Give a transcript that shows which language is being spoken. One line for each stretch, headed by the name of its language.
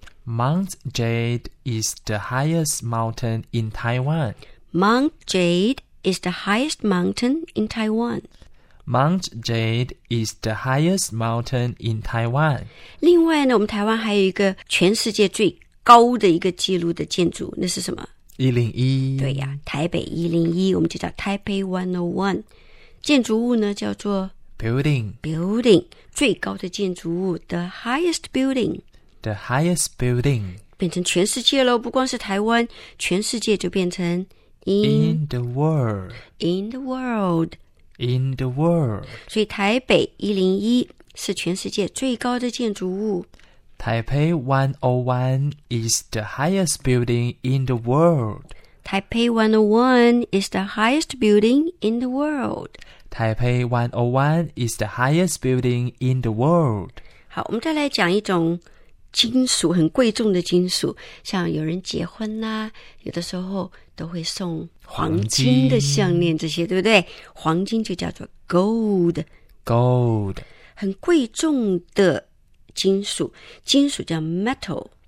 English: Mount Jade is the highest mountain in Taiwan. Mount Jade is the highest mountain in Taiwan. Mount Jade is the highest mountain in Taiwan.
Chinese: 另外呢，我们台湾还有一个全世界最高的一个记录的建筑，那是什么？ 101 对呀、啊，台北101我们就叫 Taipei 101建筑物呢叫做
English: Building
Chinese: 最高的建筑物
English: The highest building The highest building
Chinese: 变成全世界咯，不光是台湾，全世界就变成
English: In the world In the world In the world
Chinese: 所以台北101是全世界最高的建筑物
English: Taipei 101 is the highest building in the world. Taipei 101 is the highest building in the world. Taipei 101 is the highest building in the world.
Chinese: 好，我们再来讲一种金属，很贵重的金属，像有人结婚啦、啊，有的时候都会送黄金的项链，这些对不对？黄金就叫做 gold.
English: Gold.
Chinese: 很贵重的。金属叫 metal